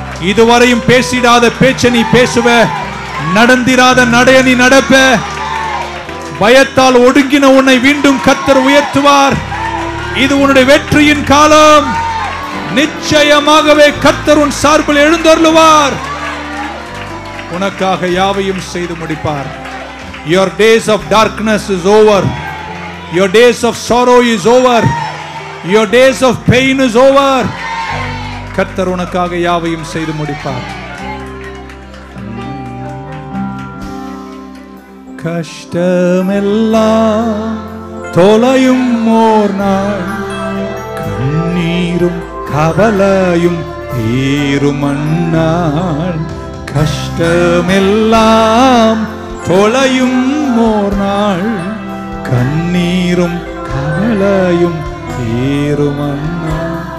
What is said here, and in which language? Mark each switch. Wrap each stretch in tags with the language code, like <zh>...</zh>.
<ta>இதுவரையும் பேசிடாத பேச்சை நீ பேசுவ, நடந்திராத நடைய நீ நடப்ப, பயத்தால் ஒடுங்கின உன்னை மீண்டும் கர்த்தர் உயர்த்துவார். இது உன்னுடைய வெற்றியின் காலம். நிச்சயமாகவே கர்த்தர் உன் சார்பில் எழுந்தருளுவார், உனக்காக யாவையும் செய்து முடிப்பார்.</ta> <en>Your days of darkness is over. Your days of sorrow is over. Your days of pain is over.</en> <ta>கர்த்தர் உனக்காக யாவையும் செய்து முடிப்பார். கஷ்டமெல்லாம் தொலையும் ஓர் நாள், கண்ணீரும் கவலையும் தீரும் அண்ணாள், கஷ்டமெல்லாம் தொலையும் ஓர் நாள், கண்ணீரும் கவலையும் தீரும் அண்ணாள்,</ta>